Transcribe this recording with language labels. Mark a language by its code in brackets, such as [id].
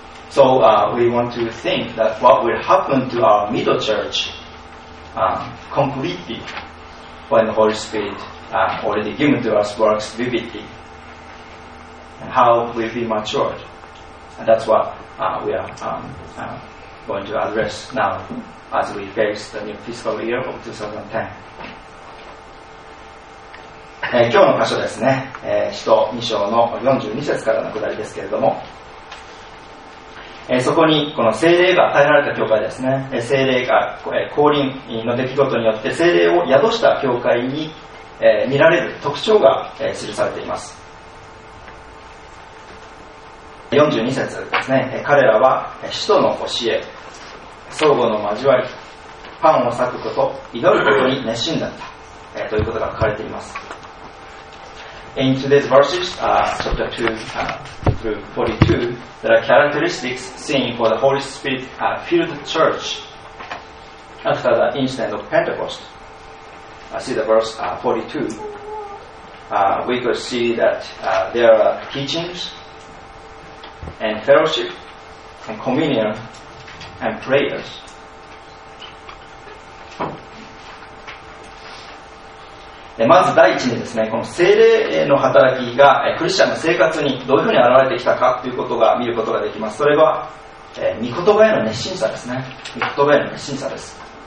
[en] So we want to think that what will happen to our middle church completely when the Holy Spirit already given to us works vividly, and how we'll be matured. And that's what we are going to address now as we face the new fiscal year of 2010. [ja] 今日の箇所ですね、使徒2章の42節からの下りですけれども、そこにこの聖霊が与えられた教会ですね、聖霊が、降臨の出来事によって聖霊を宿した教会に、見られる特徴が、記されています。 42節ですね、彼らは使徒の教え、相互の交わり、パンを裂くこと、祈ることに熱心だった、ということが書かれています。 [en] In today's verses, chapter 2 through 42, there are characteristics seen for the Holy Spirit filled church after the incident of Pentecost. See the verse 42. We could see that there are teachings and fellowship and communion and prayers. [ja] まず第一にですね、この聖霊の働きがクリスチャンの生活にどういうふうに現れてきたかということが見ることができます。それは、御言葉への熱心さですね。御言葉への熱心さです。